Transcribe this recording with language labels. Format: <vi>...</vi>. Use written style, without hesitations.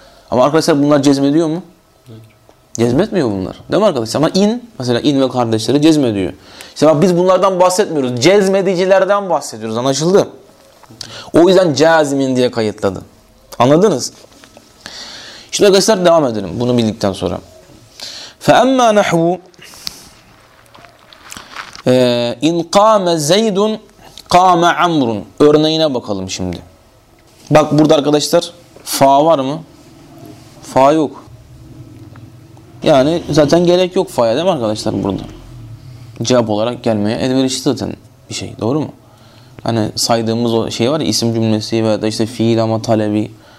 <tr>Ama arkadaşlar bunlar cezmediyor mu? Cezmetmiyor bunlar değil mi arkadaşlar? Ama in, mesela in ve kardeşleri cezmediyor. İşte bak biz bunlardan bahsetmiyoruz, cezmedicilerden bahsediyoruz, anlaşıldı. O yüzden cazimin diye kayıtladı. Anladınız? Şimdi arkadaşlar devam edelim bunu bildikten sonra.</tr> <ar>فَاَمَّا نَحْوُ اِنْ قَامَ زَيْدٌ قَامَ عَمْرٌ</ar> <tr>örneğine bakalım şimdi. Bak burada arkadaşlar fa var mı? Fa yok. Yani zaten gerek yok fa'ya değil mi arkadaşlar burada? Cevap olarak gelmeye elverişli zaten bir şey. Doğru mu? Hani saydığımız o şey var ya, isim cümlesi veya da işte fiil ama talebi.</tr>